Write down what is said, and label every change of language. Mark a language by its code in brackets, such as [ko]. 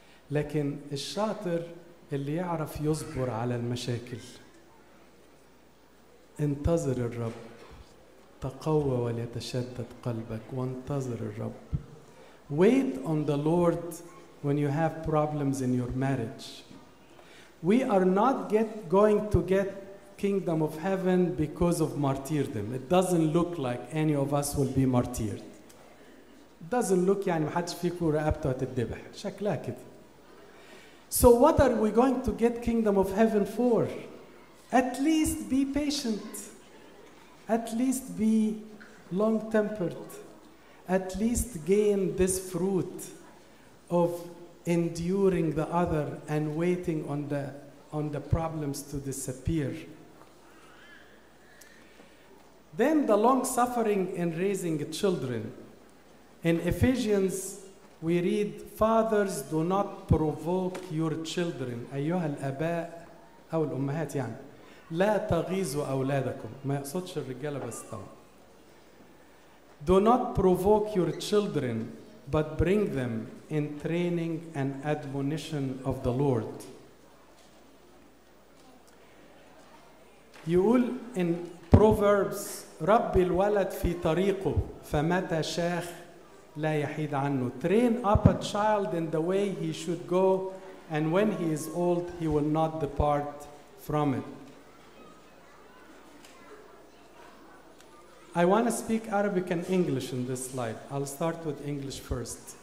[ar] لكن الشاطر اللي يعرف يصبر على المشاكل. انتظر الرب. تقوى وليتشدد قلبك وانتظر الرب. [en] Wait on the Lord when you have problems in your marriage. We are not going to get kingdom of heaven because of martyrdom. It doesn't look like any of us will be martyred. It doesn't look [ar] يعني محدش فيكم رقبته هتتذبح. شكلها كده. [en] So what are we going to get kingdom of heaven for? At least be patient. At least be long-tempered. At least gain this fruit of enduring the other and waiting on the problems to disappear. Then the long-suffering in raising children. In Ephesians, we read, Fathers, do not provoke your children. [ar] أيها الأباء أو الأمهات يعني. لا تغيظوا أولادكم. ما يقصدش الرجالة بس طبعا. [en] Do not provoke your children, but bring them in training and admonition of the Lord. [ar] يقول [en] in Proverbs, [ar] ربي الولد في طريقه فمتى شاخ لا يحيد عنه. [en] Train up a child in the way he should go, and when he is old, he will not depart from it. I want to speak Arabic and English in this slide. I'll start with English first.